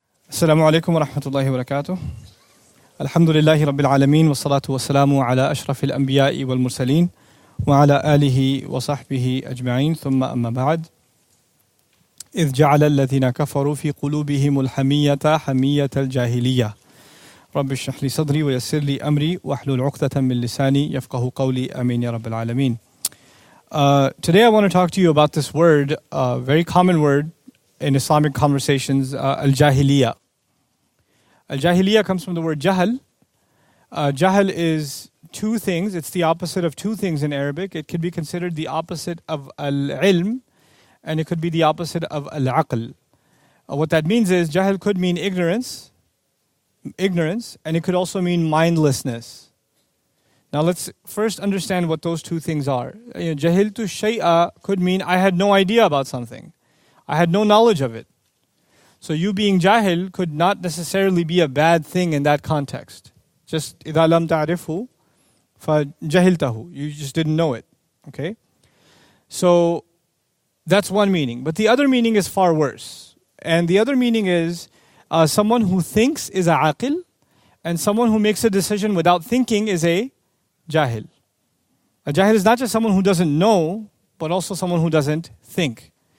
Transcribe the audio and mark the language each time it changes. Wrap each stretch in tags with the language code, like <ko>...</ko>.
<ar>السلام عليكم ورحمة الله وبركاته. الحمد لله رب العالمين والصلاة والسلام على أشرف الأنبياء والمرسلين وعلى آله وصحبه أجمعين. ثم أما بعد، إذ جعل الذين كفروا في قلوبهم الحمية حمية الجاهلية، رب اشرح لي صدري ويسر لي أمري واحلل عقدة من لساني يفقه قولي، آمين يا رب العالمين.</ar> <en>Today I want to talk to you about this word, a very common word in Islamic conversations, al-jahiliyah. Al-jahiliyah comes from the word jahl. Jahl is two things. It's the opposite of two things in Arabic. It could be considered the opposite of al-ilm, and it could be the opposite of al-aql. What that means is jahl could mean ignorance, and it could also mean mindlessness. Now let's first understand what those two things are. Jahiltu shay'a could mean I had no idea about something. I had no knowledge of it. So you being jahil could not necessarily be a bad thing in that context. Just</en> <ar>إِذَا لَمْ تَعْرِفُهُ فَجَهِلْتَهُ.</ar> <en>You just didn't know it. Okay? So that's one meaning. But the other meaning is far worse. And the other meaning is someone who thinks is a aqil, and someone who makes a decision without thinking is a jahil. A jahil is not just someone who doesn't know, but also someone who doesn't think.</en>